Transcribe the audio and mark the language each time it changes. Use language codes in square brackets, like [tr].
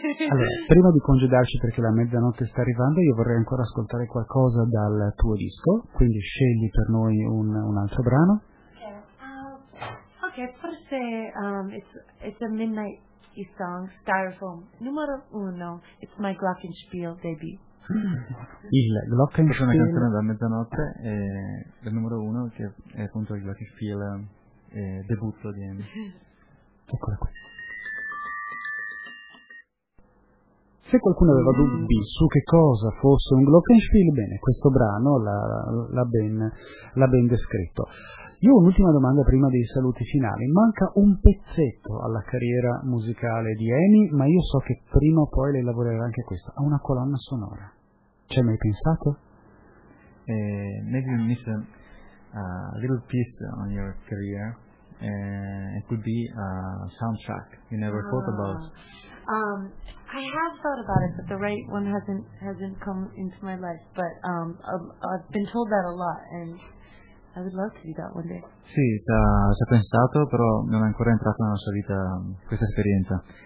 [it] Allora, prima di congedarci, perché la mezzanotte sta arrivando, io vorrei ancora ascoltare qualcosa dal tuo disco, quindi scegli per noi un altro brano. [en] Ok, forse it's a midnight his song, Styrofoam, [it] numero uno, [en] it's my Glockenspiel debut. [it] Il Glockenspiel. Questa è una canzone da mezzanotte, il numero uno, che è appunto il Glockenspiel debutto di Annie. Eccola qua. Se qualcuno aveva dubbi su che cosa fosse un Glockenspiel, bene, questo brano l'ha ben descritto. Io ho un'ultima domanda prima dei saluti finali. Manca un pezzetto alla carriera musicale di Annie, ma io so che prima o poi lei lavorerà anche questo, a una colonna sonora. Ci hai mai pensato? [en] Maybe you miss a little piece on your career. It could be a soundtrack you never thought about. I have thought about it, but the right one hasn't come into my life. But I've been told that a lot, and I would love to do that one day. [it] Sì, ci ha pensato, però non è ancora entrato nella sua vita questa esperienza.